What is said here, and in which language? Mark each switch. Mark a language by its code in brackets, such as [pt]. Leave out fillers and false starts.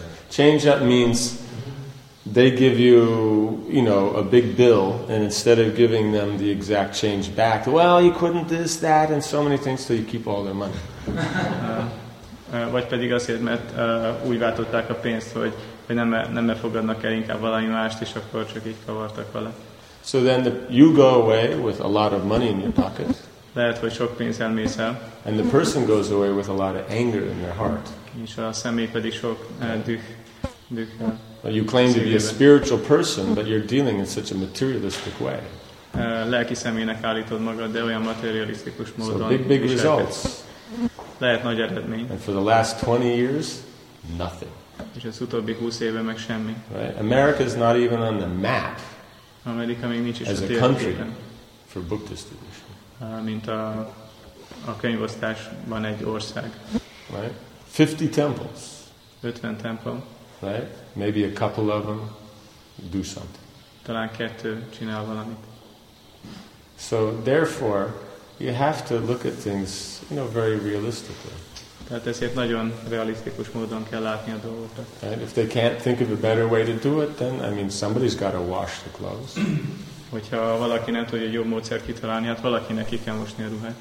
[en] Change-up means they give you, you know, a big bill, and instead of giving them the exact change back, well, you couldn't this, that, and so many things, so you keep all their money. [hu] vagy pedig azért, mert úgy váltották a pénzt, hogy nem fogadnak el inkább valami mást, és akkor csak így kavartak vele. [en] So then you go away with a lot of money in your pocket. [hu] Lehet, hogy sok pénzzel mész el. [en] And the person goes away with a lot of anger in their heart. [hu] És a személy pedig sok dühkel. [en] You claim to be a spiritual person, but you're dealing in such a materialistic way. [hu] Lelki személynek állítod magad, de olyan materialisztikus módon. [en] So big results. [hu] Lehet nagy eredmény. [en] And for the last 20 years, nothing. [hu] És az utóbbi 20 éve meg semmi. [en] Right? America is not even on the map. [hu] Amerika még nincs is a térképen. [en] As a country for book distribution. [hu] Mint a könyvosztásban egy ország. [en] Right? 50 temples. [hu] 50 templom. [en] Right? Maybe a couple of them do something. [hu] Talán kettő csinál valamit. [en] So therefore, you have to look at things, you know, very realistically. [hu] Tehát ezért nagyon realisztikus módon kell látni a dolgokat. [en] And if they can't think of a better way to do it, then I mean, somebody's got to wash the clothes. [hu] Hogyha valaki nem tudja egy jobb módszert kitalálni, hát valakinek ki kell mosni a ruhát.